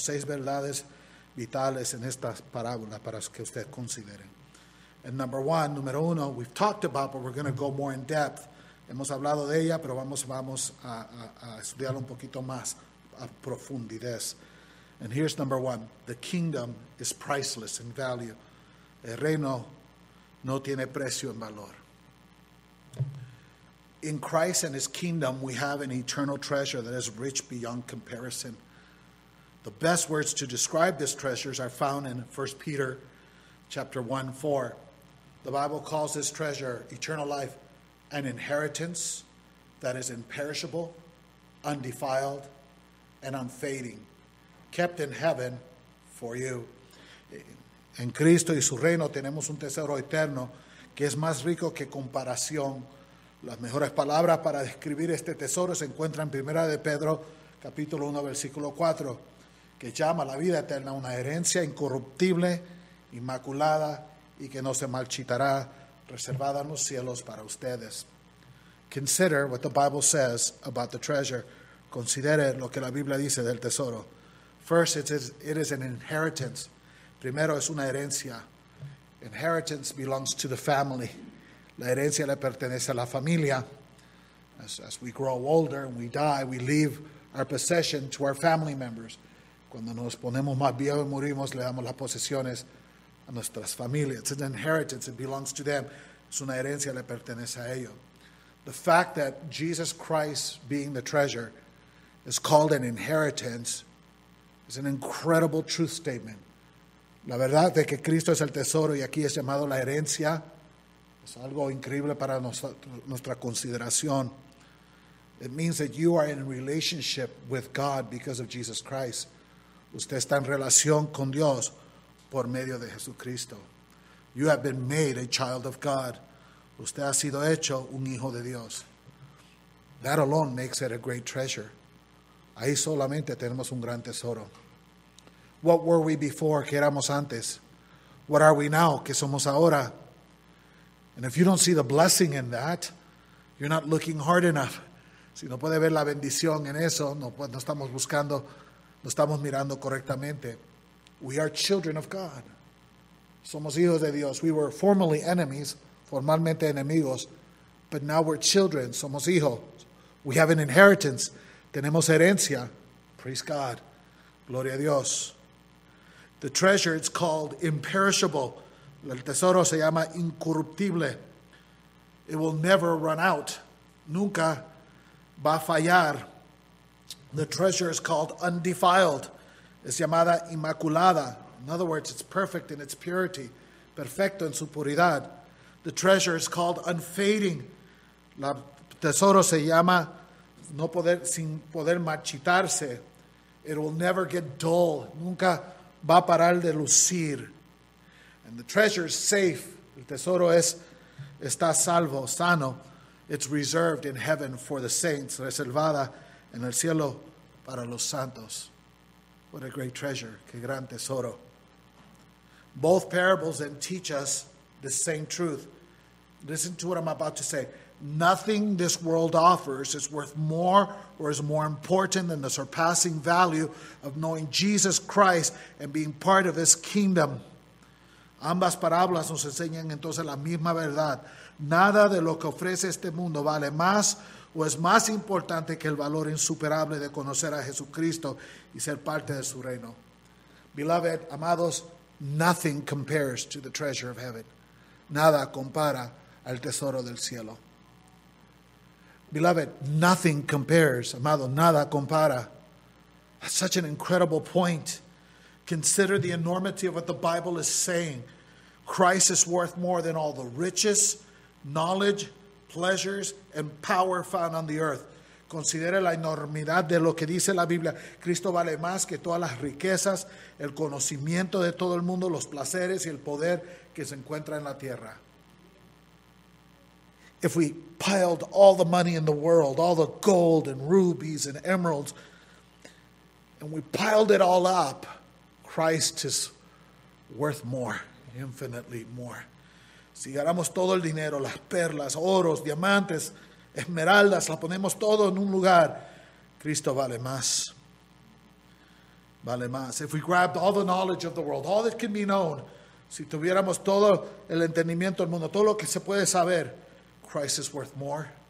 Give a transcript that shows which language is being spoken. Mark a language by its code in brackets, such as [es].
[es] 6 verdades vitales en estas parábolas para que ustedes consideren. [en] And number one, [es] número uno, [en] we've talked about, but we're going to go more in depth. [es] Hemos hablado de ella, pero vamos a estudiar un poquito más a profundidad. [en] And here's number one. The kingdom is priceless in value. [es] El reino no tiene precio en valor. [en] In Christ and his kingdom, we have an eternal treasure that is rich beyond comparison. The best words to describe this treasure are found in 1 Peter chapter 1, 4. The Bible calls this treasure eternal life, an inheritance that is imperishable, undefiled, and unfading, kept in heaven for you. [es] En Cristo y su reino tenemos un tesoro eterno que es más rico que comparación. Las mejores palabras para describir este tesoro se encuentran en 1 de Pedro, capítulo 1, versículo 4, que llama la vida eterna una herencia incorruptible, inmaculada y que no se marchitará, reservada en los cielos para ustedes. [en] Consider what the Bible says about the treasure. [es] Considere lo que la Biblia dice del tesoro. [en] First, it is an inheritance. [es] Primero, es una herencia. [en] Inheritance belongs to the family. [es] La herencia le pertenece a la familia. [en] As we grow older and we die, we leave our possession to our family members. [es] Cuando nos ponemos más viejos y morimos, le damos las posesiones a nuestras familias. [en] It's an inheritance. It belongs to them. [es] Es una herencia, le pertenece a ellos. [en] The fact that Jesus Christ being the treasure is called an inheritance is an incredible truth statement. [es] La verdad de que Cristo es el tesoro y aquí es llamado la herencia es algo increíble para nuestra consideración. [en] It means that you are in relationship with God because of Jesus Christ. [es] Usted está en relación con Dios por medio de Jesucristo. [en] You have been made a child of God. [es] Usted ha sido hecho un hijo de Dios. [en] That alone makes it a great treasure. [es] Ahí solamente tenemos un gran tesoro. [en] What were we before? [es] ¿Qué éramos antes? [en] What are we now? [es] ¿Qué somos ahora? [en] And if you don't see the blessing in that, you're not looking hard enough. [es] Si no puede ver la bendición en eso, no estamos buscando, no estamos mirando correctamente. [en] We are children of God. [es] Somos hijos de Dios. [en] We were formerly enemies, [es] formalmente enemigos, [en] but now we're children. [es] Somos hijos. [en] We have an inheritance. [es] Tenemos herencia. [en] Praise God. [es] Gloria a Dios. [en] The treasure is called imperishable. [es] El tesoro se llama incorruptible. [en] It will never run out. [es] Nunca va a fallar. [en] The treasure is called undefiled. [es] Es llamada inmaculada. [en] In other words, it's perfect in its purity. [es] Perfecto en su puridad. [en] The treasure is called unfading. [es] El tesoro se llama sin poder marchitarse. [en] It will never get dull. [es] Nunca va a parar de lucir. [en] And the treasure is safe. [es] El tesoro está salvo, sano. [en] It's reserved in heaven for the saints. [es] Reservada en el cielo para los santos. [en] What a great treasure. [es] Qué gran tesoro. [en] Both parables then teach us the same truth. Listen to what I'm about to say. Nothing this world offers is worth more or is more important than the surpassing value of knowing Jesus Christ and being part of his kingdom. [es] Ambas parábolas nos enseñan entonces la misma verdad. Nada de lo que ofrece este mundo vale más o es más importante que el valor insuperable de conocer a Jesucristo y ser parte de su reino. [en] Beloved, [es] amados, [en] nothing compares to the treasure of heaven. [es] Nada compara al tesoro del cielo. [en] Beloved, nothing compares, [es] amado, nada compara. [en] That's such an incredible point. Consider the enormity of what the Bible is saying. Christ is worth more than all the riches, knowledge, pleasures, and power found on the earth. [es] Considere la enormidad de lo que dice la Biblia. Cristo vale más que todas las riquezas, el conocimiento de todo el mundo, los placeres y el poder que se encuentra en la tierra. [en] If we piled all the money in the world, all the gold and rubies and emeralds, and we piled it all up, Christ is worth more, infinitely more. [es] Si agarramos todo el dinero, las perlas, oros, diamantes, esmeraldas, las ponemos todo en un lugar, Cristo vale más. Vale más. [en] If we grabbed all the knowledge of the world, all that can be known, [es] si tuviéramos todo el entendimiento del mundo, todo lo que se puede saber, [en] Christ is worth more.